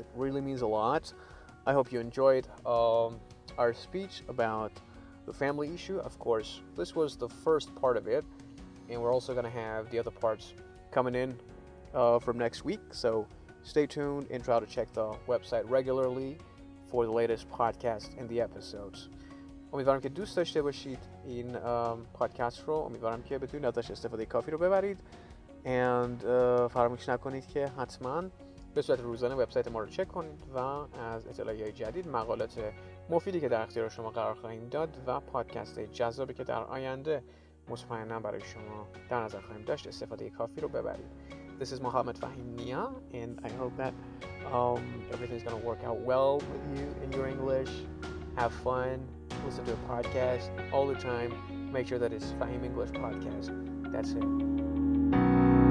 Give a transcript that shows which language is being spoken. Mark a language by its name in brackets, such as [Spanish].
[English] It really means a lot. I hope you enjoyed our speech about the family issue. Of course, this was the first part of it, and we're also going to have the other parts coming in from next week, so stay tuned and try to check the website regularly for the latest podcast and the episodes. [Persian] امیدوارم که دوست داشته باشید این پادکست رو، امیدوارم که بتونید ازش استفاده کافی رو ببرید، and فراموش نکنید که حتما به صورت روزانه وبسایت ما رو چک کنید و از اطلاعیه جدید، مقالات مفیدی که در اختیار شما قرار خواهیم داد و پادکست جذابی که در آینده مطمئنا برای شما در نظر خواهیم داشت استفاده کافی رو ببرید. [English] This is Mohammed Fahim Nia and I hope that everything is going to work out well with you in your English. Have fun, listen to a podcast all the time. Make sure that it's Fahim English Podcast. That's it.